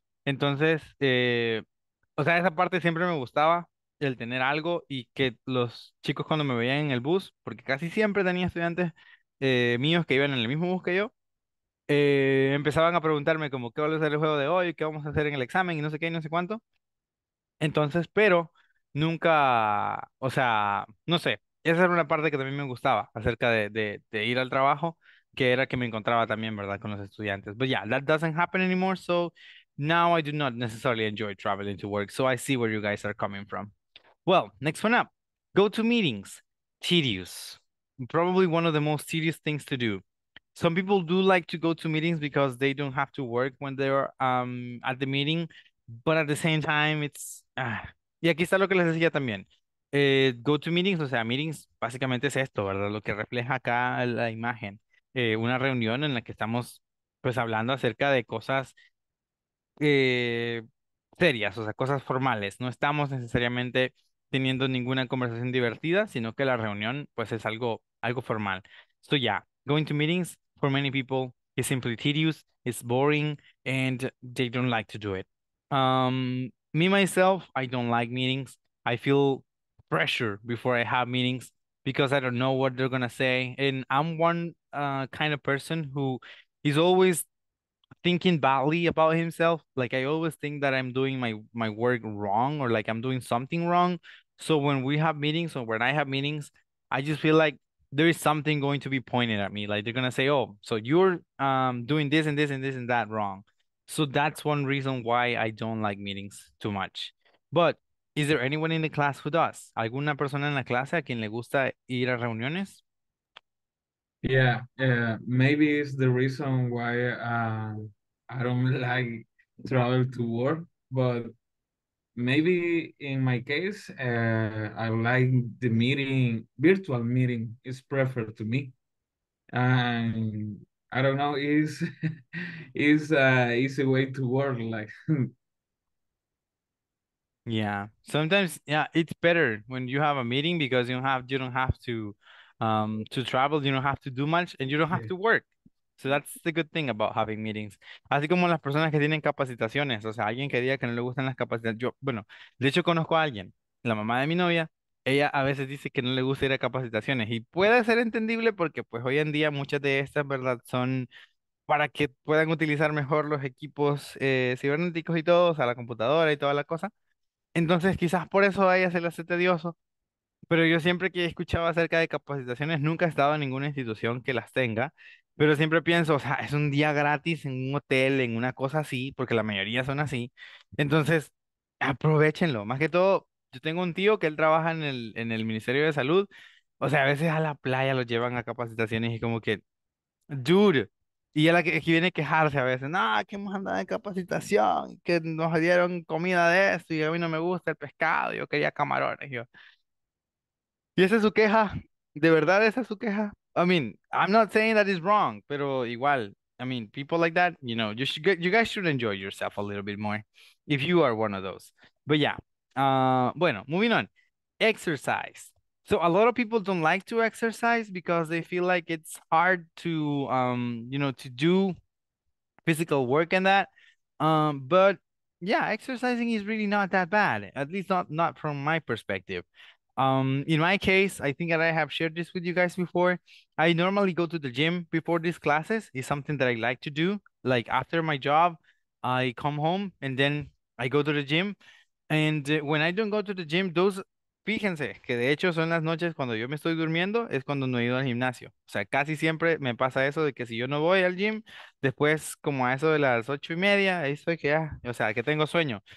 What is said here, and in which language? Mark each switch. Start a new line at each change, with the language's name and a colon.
Spanish: Entonces, o sea, esa parte siempre me gustaba, el tener algo y que los chicos cuando me veían en el bus, porque casi siempre tenía estudiantes míos que iban en el mismo bus que yo, empezaban a preguntarme como, ¿qué va a ser el juego de hoy? ¿Qué vamos a hacer en el examen? Y no sé qué, y no sé cuánto. Entonces, pero nunca, o sea, no sé, esa era una parte que también me gustaba acerca de ir al trabajo, que era que me encontraba también, ¿verdad?, con los estudiantes.
English: But yeah, that doesn't happen anymore, so now I do not necessarily enjoy traveling to work, so I see where you guys are coming from. Well, next one up. Go to meetings. Tedious. Probably one of the most tedious things to do. Some people do like to go to meetings because they don't have to work when they're at the meeting, but at the same time, it's...
Spanish: Y aquí está lo que les decía también.
English: Go to meetings,
Spanish: o sea, meetings básicamente es esto, ¿verdad? Lo que refleja acá la imagen. Una reunión en la que estamos pues hablando acerca de cosas serias, o sea, cosas formales. No estamos necesariamente teniendo ninguna conversación divertida, sino que la reunión pues es algo formal.
English: So yeah, going to meetings for many people is simply tedious, it's boring, and they don't like to do it. Me, myself, I don't like meetings. I feel pressure before I have meetings because I don't know what they're gonna say, and I'm one kind of person who is always thinking badly about himself. Like, I always think that I'm doing my work wrong, or like I'm doing something wrong. So when we have meetings, or when I have meetings, I just feel like there is something going to be pointed at me. Like, they're gonna say, oh, so you're doing this and this and this and that wrong. So that's one reason why I don't like meetings too much. But is there anyone in the class who does?
Spanish: ¿Alguna persona en la clase a quien le gusta ir a reuniones?
English: Yeah, maybe it's the reason why I don't like travel to work, but maybe in my case, I like the meeting, virtual meeting is preferred to me. And I don't know, it's a easy way to work, like. Yeah, sometimes yeah, it's better when you have a meeting because you don't have to travel, you don't have to do much, and you don't have to work. So that's the good thing about having meetings.
Spanish: Así como las personas que tienen capacitaciones, o sea, alguien que diga que no le gustan las capacitaciones, yo, bueno, de hecho conozco a alguien, la mamá de mi novia, ella a veces dice que no le gusta ir a capacitaciones y puede ser entendible porque pues hoy en día muchas de estas, ¿verdad?, son para que puedan utilizar mejor los equipos cibernéticos y todo, o sea, la computadora y toda la cosa. Entonces, quizás por eso a ella se le hace tedioso, pero yo siempre que escuchaba acerca de capacitaciones, nunca he estado en ninguna institución que las tenga, pero siempre pienso, o sea, es un día gratis en un hotel, en una cosa así, porque la mayoría son así. Entonces, aprovéchenlo. Más que todo, yo tengo un tío que él trabaja en el Ministerio de Salud, o sea, a veces a la playa lo llevan a capacitaciones y como que, dude. Y él aquí viene a quejarse a veces, no, que hemos andado en capacitación, que nos dieron comida de esto y a mí no me gusta el pescado, yo quería camarones. Y esa es su queja, de verdad esa es su queja.
English: I mean, I'm not saying that is wrong,
Spanish: pero igual,
English: I mean, people like that, you know, you guys should enjoy yourself a little bit more if you are one of those. But yeah,
Spanish: bueno,
English: moving on. Exercise. So a lot of people don't like to exercise because they feel like it's hard to to do physical work and that. But yeah, exercising is really not that bad, at least not from my perspective. In my case, I think that I have shared this with you guys before. I normally go to the gym before these classes. It's something that I like to do. Like after my job, I come home and then I go to the gym. And when I don't go to the gym, those
Spanish: Fíjense que de hecho son las noches cuando yo me estoy durmiendo, es cuando no he ido al gimnasio. O sea, casi siempre me pasa eso de que si yo no voy al gym, después como a eso de las 8:30, ahí estoy que ya, o sea, que tengo sueño.